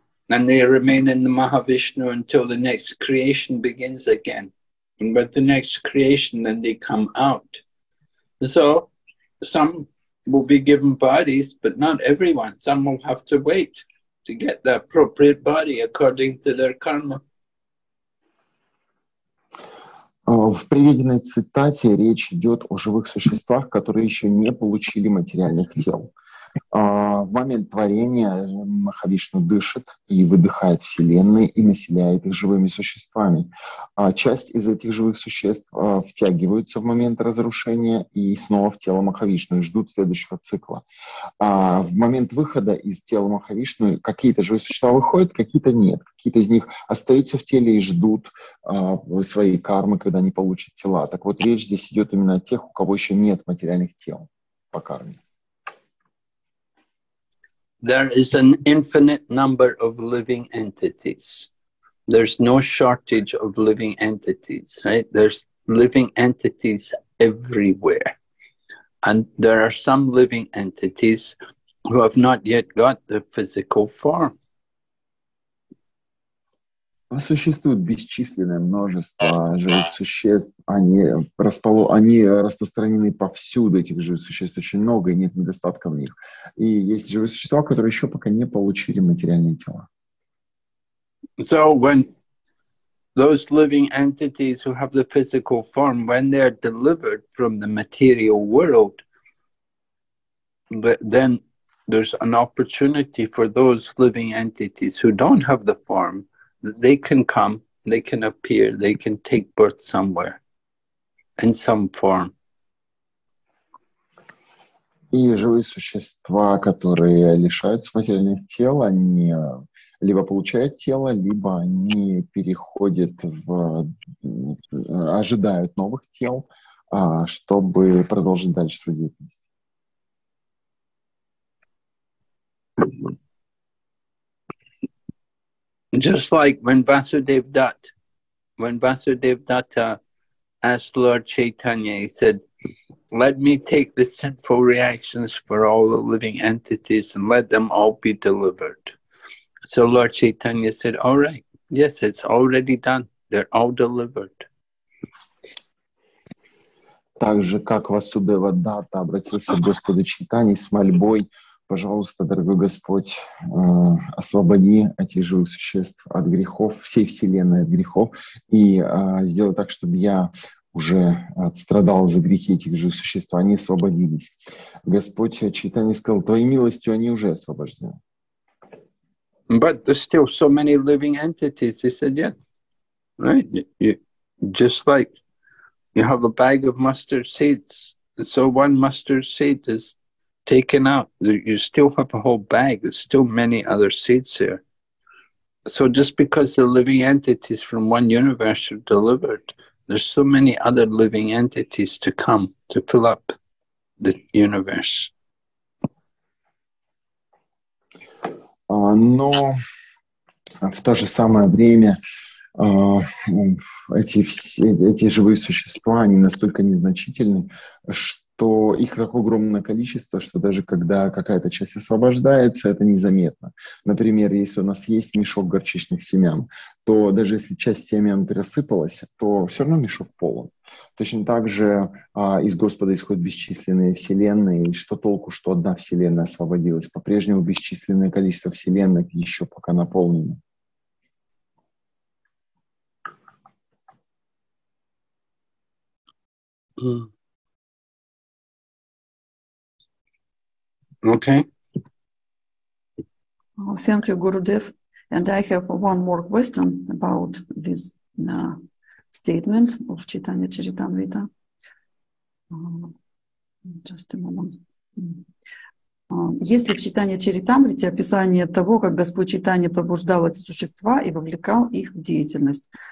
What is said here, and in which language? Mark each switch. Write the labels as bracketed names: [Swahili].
[English] And they remain in the Mahavishnu until the next creation begins again. And with the next creation, then they come out. So some will be given bodies, but not everyone. Some will have to wait to get the appropriate body according to their karma. [Russian] В приведенной цитате речь идет о живых существах, которые еще не получили материальных тел. В момент творения Махавишну дышит и выдыхает вселенные и населяет их живыми существами. Часть из этих живых существ втягиваются в момент разрушения и снова в тело Махавишну и ждут следующего цикла. В момент выхода из тела Махавишну какие-то живые существа выходят, какие-то нет. Какие-то из них остаются в теле и ждут своей кармы, когда они получат тела. Так вот, речь здесь идет именно о тех, у кого еще нет материальных тел по карме. [English] There is an infinite number of living entities. There's no shortage of living entities, right? There's living entities everywhere. And there are some living entities who have not yet got the physical form. [Russian] Существует бесчисленное множество живых существ. Они распространены повсюду, этих живых существ очень много, и нет недостатка в них. И есть живые существа, которые еще пока не получили материальные тела. [English] So when those living entities who have the physical form, when they are delivered from the material world, then there's an opportunity for those living entities who don't have the form. They can come, they can appear, they can take birth somewhere, in some form. [Russian] И живые существа, которые лишаются материальных тел, они либо получают тело, либо они переходят в... ожидают новых тел, чтобы продолжить дальше свою деятельность. [English] Just like when Vasudev Datta asked Lord Chaitanya, he said, let me take the sinful reactions for all the living entities and let them all be delivered. So Lord Chaitanya said, all right, yes, it's already done. They're all delivered. [Russian] Также как Васудева Датта обратился к Господу Чайтани с мольбой, пожалуйста, дорогой Господь, освободи этих живых существ от грехов, всей вселенной от грехов, и сделай так, чтобы я уже отстрадал за грехи этих живых существ, они освободились. Господь Чайтани сказал, твоей милостью они уже освобождены. [English] But there's still so many living entities, he said, yeah. Right? Just like you have a bag of mustard seeds, so one mustard seed is taken out, you still have a whole bag, there's still many other seeds here. So just because the living entities from one universe are delivered, there's so many other living entities to come to fill up the universe. [Russian] Но в то же самое время эти живые существа, они настолько незначительны, что то их так огромное количество, что даже когда какая-то часть освобождается, это незаметно. Например, если у нас есть мешок горчичных семян, то даже если часть семян рассыпалась, то все равно мешок полон. Точно так же из Господа исходят бесчисленные вселенные, и что толку, что одна вселенная освободилась? По-прежнему бесчисленное количество вселенных еще пока наполнено. [English] Okay. Well, thank you, Gurudev. And I have one more question about this statement of Chaitanya Charitamrita. Just a moment. [Russian] Есть ли в Чайтанья Чаритамрите описание того, как Господь Чайтанья пробуждал эти существа и вовлекал их в деятельность?